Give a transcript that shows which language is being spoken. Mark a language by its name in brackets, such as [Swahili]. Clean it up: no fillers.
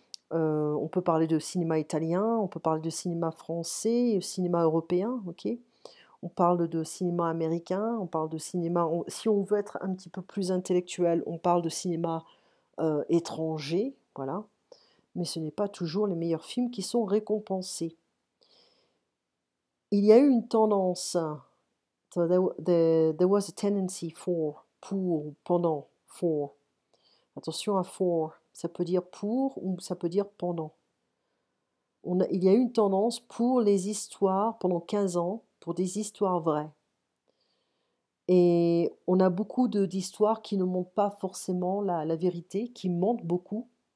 [French] On peut parler de cinéma italien, on peut parler de cinéma français, cinéma européen. Okay. On parle de cinéma américain, on parle de cinéma. Si on veut être un petit peu plus intellectuel, on parle de cinéma étranger, voilà. Mais ce n'est pas toujours les meilleurs films qui sont récompensés. Il y a eu une tendance. [English] So there was a tendency [French] pendant, [English] for. [French] Attention à for, ça peut dire pour ou ça peut dire pendant. Il y a eu une tendance pour les histoires pendant 15 ans. Pour des histoires vraies. Et on a beaucoup d'histoires qui ne montrent pas forcément la vérité, qui mentent beaucoup.